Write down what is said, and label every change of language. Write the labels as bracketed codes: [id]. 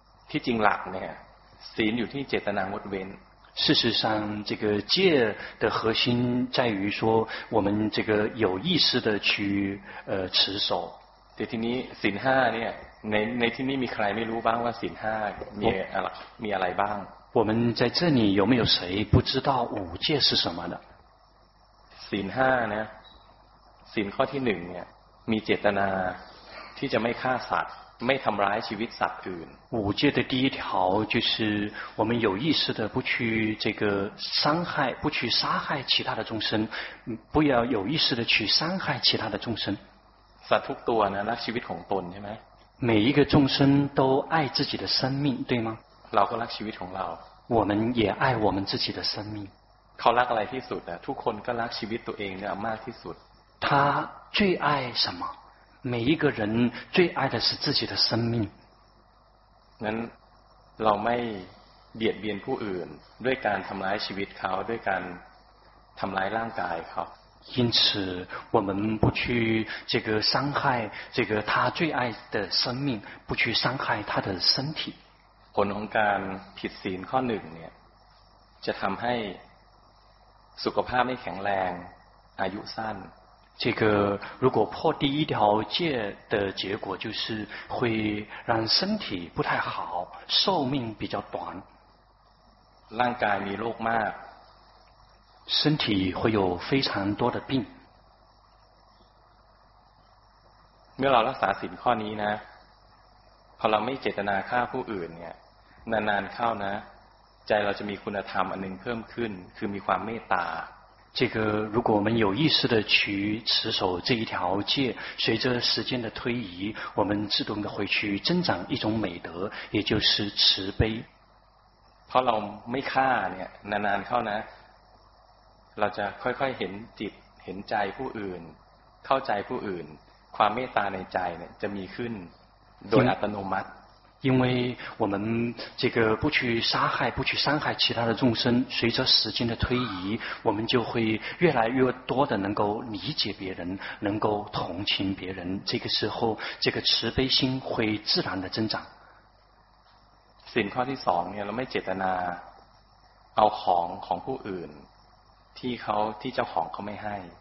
[th] ที่จริงหลักเนี่ยศีลอยู่ที่เจตนางดเว้น [zh] 事实上这个戒的核心在于说我们这个有意识的去持守 [th] เดี๋ยวทีนี้ศีล5เนี่ยในที่นี้มีใครไม่รู้บ้างว่าศีล5มีอะไรบ้าง [zh] 我们在这里有没有谁不知道五戒是什么的 [th] ศีล5นะศีลข้อที่1เนี่ยมีเจตนาที่จะไม่ฆ่าสัตว์ไม่ทำร้ายชีวิตสัตว์อื่น [zh] 五戒的第一条就是我们有意识的不去这个伤害不去杀害其他的众生不要有意识的去伤害其他的众生 [th] สัตว์ทุกตัวนะรักชีวิตของตนใช่ไหม [zh] 每一个众生都爱自己的生命对吗 [th] เราก็รักชีวิตของเรา [zh] 我们也爱我们自己的生命 [th] เขารักอะไรที่สุดนะทุกคนก็รักชีวิตตัวเองเนี่ยมากที่สุด [zh] 他最爱什么每一个人最爱的是自己的生命。 [th] นั้นเราไม่เบียดเบียนผู้อื่นด้วยการทำร้ายชีวิตเขาด้วยการทำร้ายร่างกายเขา [zh] 因此我们不去这个伤害这个他最爱的生命，不去伤害他的身体。 [th] ผลของการผิดศีลข้อหนึ่งเนี่ยจะทำให้สุขภาพไม่แข็งแรงอายุสั้น [zh] 这个如果破第一条戒的结果就是会让身体不太好，寿命比较短。 [th] ร่างกายมีโรคมาก [zh] 身体会有非常多的病。 [th] เมื่อเรารักษาศีลข้อนี้นะพอเราไม่เจตนาฆ่าผู้อื่นเนี่ยนานๆเข้านะใจเราจะมีคุณธรรมอันหนึ่งเพิ่มขึ้นคือมีความเมตตา [zh] 这个如果我们有意识的去持守这一条戒，随着时间的推移，我们自动的会去增长一种美德，也就是慈悲。 [th] เพราะเราไม่ฆ่าเนี่ยนานๆเข้านะเราจะค่อยๆเห็นจิตเห็นใจผู้อื่นเข้าใจผู้อื่นความเมตตาในใจเนี่ยจะมีขึ้นโดยอัตโนมัติ [zh] 因为我们这个不去杀害不去伤害其他的众生，随着时间的推移，我们就会越来越多的能够理解别人，能够同情别人，这个时候这个慈悲心会自然的增长。 [th] สิ่งข้อที่สองเนี่ยเราไม่เจตนาเอาของของผู้อื่นที่เขาที่เจ้าของเขาไม่ให้